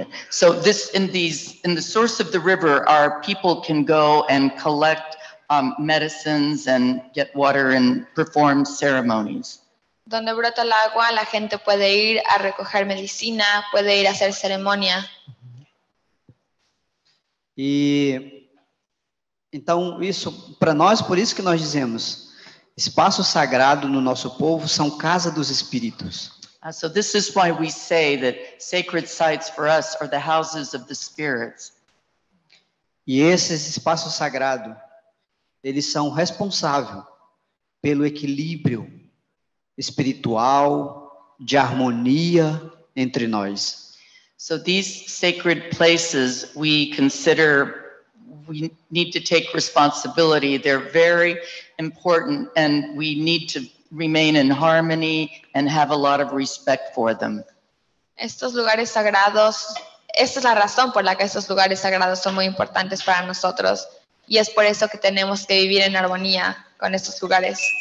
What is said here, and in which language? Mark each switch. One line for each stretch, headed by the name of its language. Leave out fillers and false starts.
English: So this in the source of the river, our people can go and collect medicines and get water and perform ceremonies.
Spanish: Donde brota el agua, la gente puede ir a recoger medicina, puede ir a hacer ceremonia.
Portuguese: Y então isso para nós, por isso que nós dizemos, espaço sagrado no nosso povo são casa dos espíritos.
English: So this is why we say that sacred sites for us are the houses of the spirits.
Portuguese: E esses espaços sagrados, eles são responsáveis pelo equilíbrio espiritual, de harmonia entre nós.
English: So these sacred places, we consider, we need to take responsibility. They're very important and we need to remain in harmony and have a lot of respect for them.
Spanish: Estos lugares sagrados, esta es la razón por la que estos lugares sagrados son muy importantes para nosotros y es por eso que tenemos que vivir en armonía con estos lugares.